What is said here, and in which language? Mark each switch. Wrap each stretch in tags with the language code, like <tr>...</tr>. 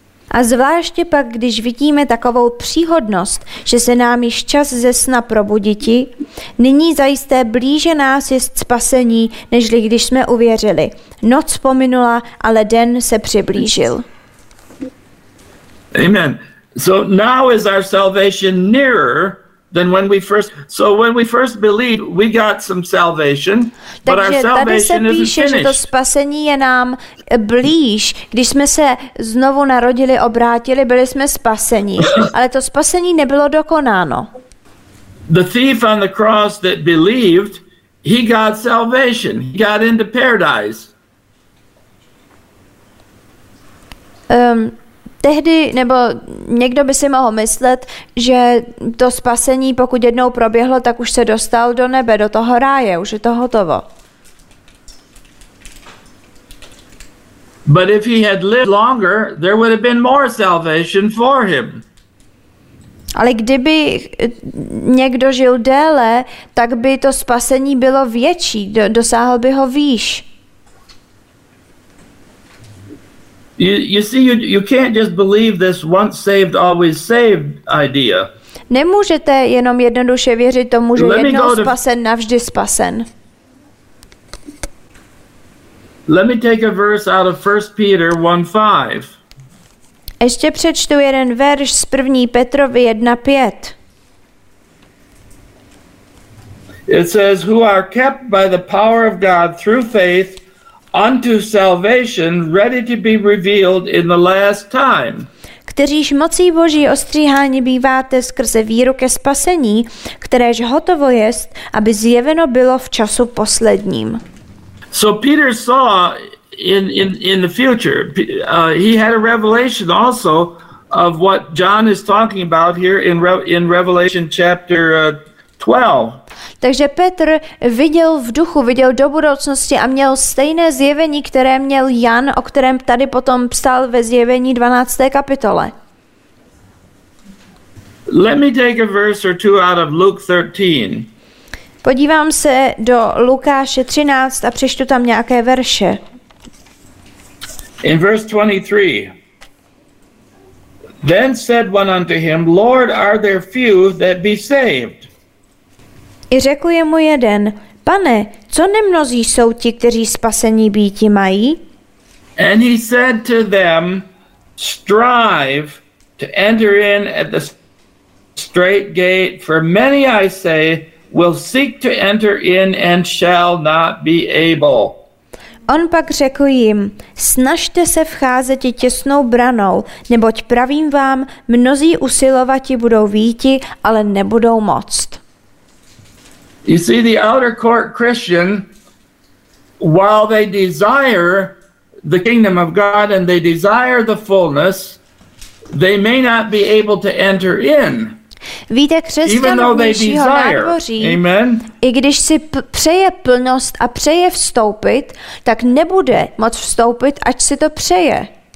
<cs>A zvláště pak, když vidíme takovou příhodnost, že se nám již čas ze sna probuditi, nyní zajisté blíže nás je spasení, nežli když jsme uvěřili. Noc pominula, ale den se přiblížil. Amen.</cs> <en>So now is our salvation nearer than when we first, so when we first believed, we got some salvation,</en> <cs>takže</cs> <en>but our salvation</en> <cs>tady se píše, že to spasení je nám blíž, když jsme se znovu narodili, obrátili, byli jsme spaseni, ale to spasení nebylo dokonáno.</cs> <en>The thief on the cross that believed, he got salvation, he got into paradise.</en> <cs>Tehdy, nebo někdo by si mohl myslet, že to spasení, pokud jednou proběhlo, tak už se dostal do nebe, do toho ráje, už je to hotovo.</cs> <en>But if he had lived longer, there would have been more salvation for him.</en> <cs>Ale kdyby někdo žil déle, tak by to spasení bylo větší, dosáhl by ho výš.</cs> <en>You can't just believe this once saved always saved idea.</en> <cs>Nemůžete jenom jednoduše věřit tomu, že jednou spasen navždy spasen.</cs> <en>Let me take a verse out of 1 Peter 1:5.</en> <cs>Ještě přečtu jeden verš z 1. Petrovi 1:5.</cs> <en>It says who are kept by the power of God through faith unto salvation, ready to be revealed in the last time.</en> <cs>Kteříž mocí Boží ostříháni býváte skrze víru ke spasení, kteréž hotovo jest, aby zjeveno bylo v času posledním.</cs> <en>So Peter saw in the future. He had a revelation also of what John is talking about here in Revelation chapter 12.</en> <cs>Takže Petr viděl v duchu, viděl do budoucnosti a měl stejné zjevení, které měl Jan, o kterém tady potom psal ve zjevení 12. kapitole.</cs> <en>Let me take a verse or two out of Luke 13.</en> <cs>Podívám se do Lukáše 13 a přečtu tam nějaké verše.</cs> <en>In verse 23. Then said one unto him, Lord, are there few that be saved?</en> <cs>I řekl jemu jeden, pane, co nemnozí jsou ti, kteří spasení býti mají?</cs> <en>And he said to them, strive to enter in at the straight gate, for many, I say, will seek to enter in and shall not be able.</en> <cs>On pak řekl jim, snažte se vcházet těsnou branou, neboť pravím vám, mnozí usilovati budou výjti, ale nebudou moct.</cs> <en>You see, the outer court Christian, while they desire the kingdom of God and they desire the fullness, they may not be able to enter in.</en> <cs>Víte, křesťan vnějšího nádvoří, amen. I když si přeje plnost a přeje vstoupit, tak nebude moc vstoupit, ať si to přeje.</cs>